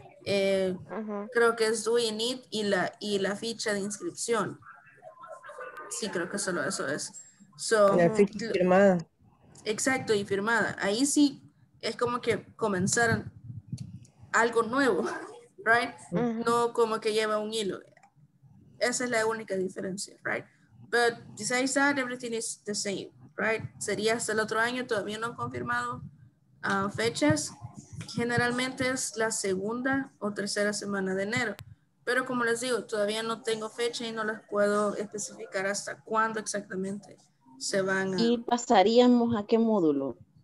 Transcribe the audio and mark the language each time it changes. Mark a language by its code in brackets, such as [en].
[es] Creo que es [en] due in it [es] y la ficha de inscripción. Sí, creo que solo eso es. So, la ficha firmada. Exacto, y firmada. Ahí sí es como que comenzaron algo nuevo, [en] right? [es] Uh-huh. No como que lleva un hilo. Esa es la única diferencia, [en] right? But besides that, everything is the same, right? [es] Sería hasta el otro año, todavía no han confirmado fechas. Generalmente es la segunda o tercera semana de enero, pero como les digo, todavía no tengo fecha y no las puedo especificar hasta cuándo exactamente se van a... ¿Y pasaríamos a qué módulo?